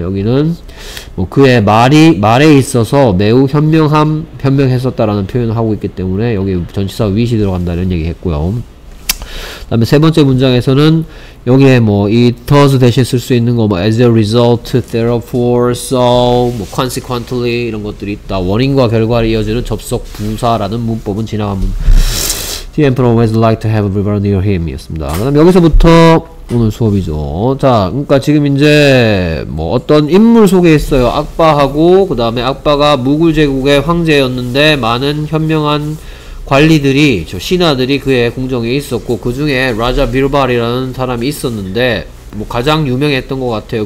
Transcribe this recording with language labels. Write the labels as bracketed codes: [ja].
[ko] 여기는 뭐 그의 말이 말에 있어서 매우 현명했었다라는 표현을 하고 있기 때문에 여기 전치사 with이 들어간다는 얘기 했고요. 그 다음에 세 번째 문장에서는 여기에 뭐 it does 대신 쓸 수 있는 거 뭐 as a result, therefore, so, 뭐 consequently 이런 것들이 있다. 원인과 결과를 이어지는 접속 부사라는 문법은 지나간 문. [en] The emperor would like to have a river near him [ko] 이었습니다. 그 다음에 여기서부터 오늘 수업이죠. 자, 그러니까 지금 이제 뭐 어떤 인물 소개했어요. 악바하고 그 다음에 악바가 무굴 제국의 황제였는데 많은 현명한 관리들이, 저 신하들이 그의 궁정에 있었고 그 중에 라자 비르발이라는 사람이 있었는데 뭐 가장 유명했던 것 같아요.